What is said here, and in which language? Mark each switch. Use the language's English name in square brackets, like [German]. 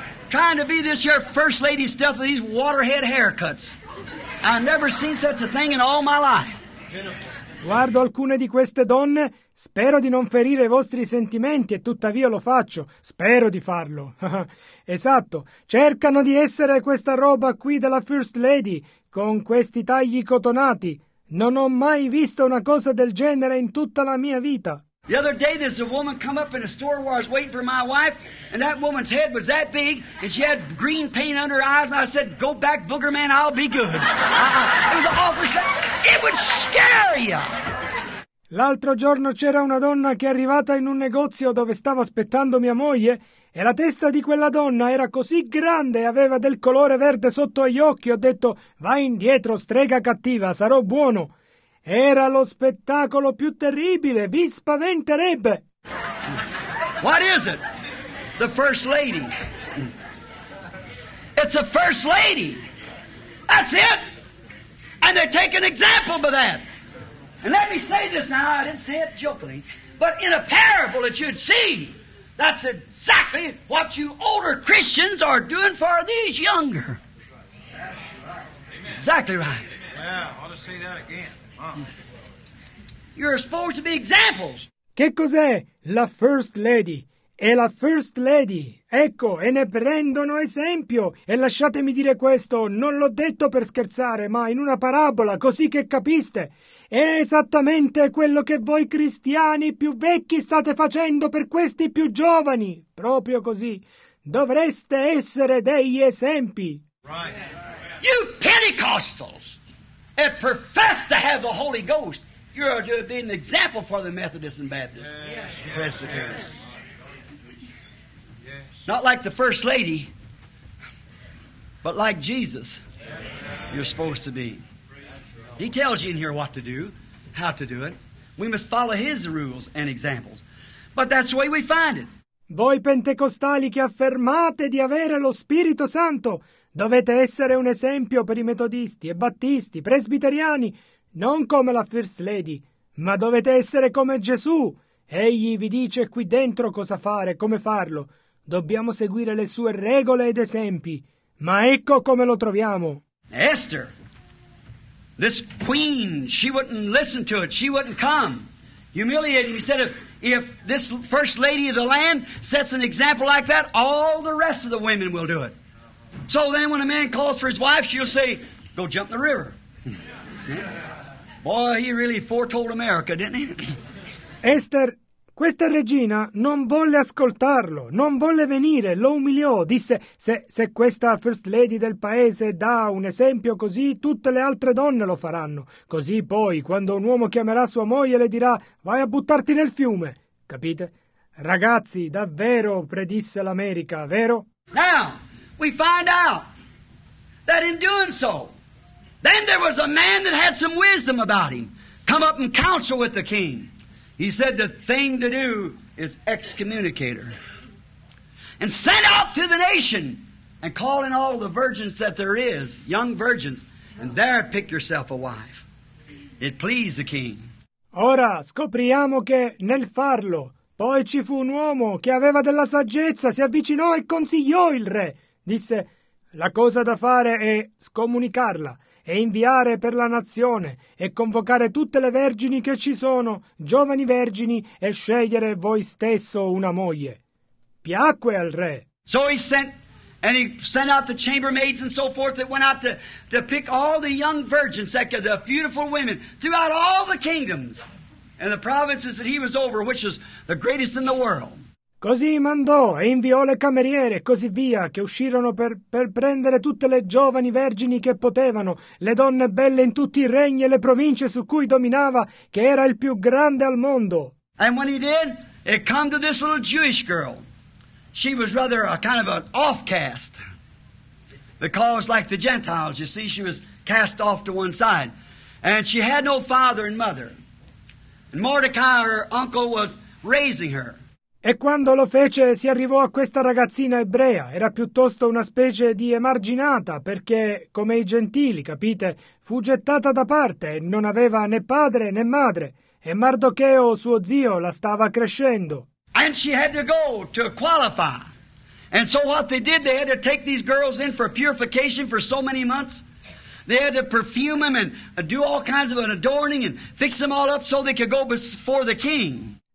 [English] Trying to be this here First Lady stuff with these waterhead haircuts. I've never seen such a thing in all my life. [Italian] Guardo alcune di queste donne, spero di non ferire i vostri sentimenti e tuttavia lo faccio, spero di farlo. Esatto, cercano di essere questa roba qui della First Lady, con questi tagli cotonati. Non ho mai visto una cosa del genere in tutta la mia vita. [English] The other day, there's a woman come up in a store where I was waiting for my wife, and that woman's head was that big, and she had green paint under her eyes, and I said, go back, booger man, I'll be good. It was awful. It would scare you. [Italian] L'altro giorno c'era una donna che è arrivata in un negozio dove stava aspettando mia moglie, e la testa di quella donna era così grande e aveva del colore verde sotto gli occhi. Ho detto, vai indietro, strega cattiva, sarò buono. Era lo spettacolo più terribile, vi spaventerebbe. [English] What is it? The first lady. It's the first lady. That's it. And they take an example by that. And let me say this now, I didn't say it jokingly, but in a parable that you'd see, that's exactly what you older Christians are doing for these younger. Amen. Exactly right. Yeah, I'll just say that again. You're supposed to be examples. [Italian] Che cos'è la First Lady? È la First Lady. Ecco, e ne prendono esempio. E lasciatemi dire questo, non l'ho detto per scherzare, ma in una parabola, così che capiste. È esattamente quello che voi cristiani più vecchi state facendo per questi più giovani. Proprio così. Dovreste essere degli esempi. [English] Right. You Pentecostals! That profess to have the Holy Ghost, you're to be an example for the Methodists and Baptists. Yes. Yes. Not like the First Lady, but like Jesus, yes, you're supposed to be. He tells you in here what to do, how to do it. We must follow His rules and examples. But that's the way we find it. [Italian] Voi pentecostali che affermate di avere lo Spirito Santo, dovete essere un esempio per i metodisti e battisti, presbiteriani, non come la First Lady, ma dovete essere come Gesù. Egli vi dice qui dentro cosa fare, come farlo. Dobbiamo seguire le sue regole ed esempi. Ma ecco come lo troviamo. [English] Esther, this queen, she wouldn't listen to it, she wouldn't come. Humiliating, he said, if this First Lady of the land sets an example like that, all the rest of the women will do it. So then when a man calls for his wife, she'll say, go jump in the river. Boy, he really foretold America, didn't he? [Italian] Esther, questa regina non volle ascoltarlo, non volle venire, lo umiliò. Disse, se questa First Lady del paese dà un esempio così, tutte le altre donne lo faranno. Così poi, quando un uomo chiamerà sua moglie, le dirà, vai a buttarti nel fiume. Capite? Ragazzi, davvero predisse l'America, vero? [English] Now! We find out that in doing so, then there was a man that had some wisdom about him, come up and counsel with the king. He said the thing to do is excommunicate her and send out to the nation and call in all the virgins that there is, young virgins, and there pick yourself a wife. It pleased the king. [Italian] Ora scopriamo che nel farlo, poi ci fu un uomo che aveva della saggezza, si avvicinò e consigliò il re. Disse, la cosa da fare è scomunicarla e inviare per la nazione e convocare tutte le vergini che ci sono, giovani vergini, e scegliere voi stesso una moglie. Piacque al re. [English] So he sent, and he sent out the chambermaids and so forth that went out to pick all the young virgins, the beautiful women, throughout all the kingdoms and the provinces that he was over, which was the greatest in the world. [Italian] Così mandò e inviò le cameriere e così via, che uscirono per prendere tutte le giovani vergini che potevano, le donne belle in tutti i regni e le province su cui dominava, che era il più grande al mondo. [English] And when he did, it come to this little Jewish girl. She was rather a kind of an offcast. Because like the Gentiles, you see, she was cast off to one side. And she had no father and mother. And Mordecai, her uncle, was raising her. [Italian] E quando lo fece, si arrivò a questa ragazzina ebrea. Era piuttosto una specie di emarginata, perché, come i gentili, capite, fu gettata da parte e non aveva né padre né madre. E Mardocheo, suo zio, la stava crescendo. [English] And she had to go to qualify. And so what they did, they had to take these girls in for purification for so many months. They had to perfume them and do all kinds of an adorning and fix them all up so they could go before the king.